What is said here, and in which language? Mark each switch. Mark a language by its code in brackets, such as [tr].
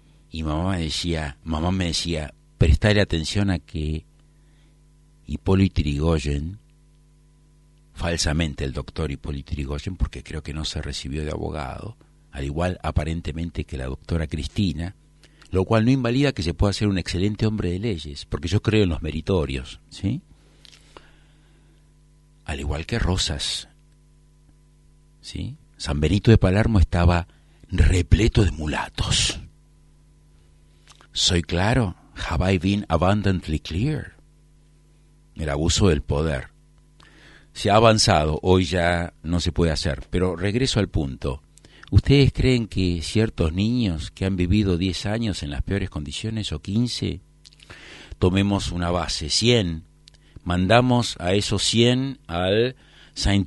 [es] Y mamá me decía, prestale atención a que Hipólito Yrigoyen, falsamente el doctor Hipólito Yrigoyen, porque creo que no se recibió de abogado, al igual aparentemente que la doctora Cristina, lo cual no invalida que se pueda ser un excelente hombre de leyes, porque yo creo en los meritorios, ¿sí? Al igual que Rosas, ¿sí? San Benito de Palermo estaba repleto de mulatos. ¿Soy claro? [en] Have I been abundantly clear? [es] El abuso del poder. Se ha avanzado, hoy ya no se puede hacer, pero regreso al punto. ¿Ustedes creen que ciertos niños que han vivido 10 años en las peores condiciones, o 15, tomemos una base, 100, mandamos a esos 100 al St.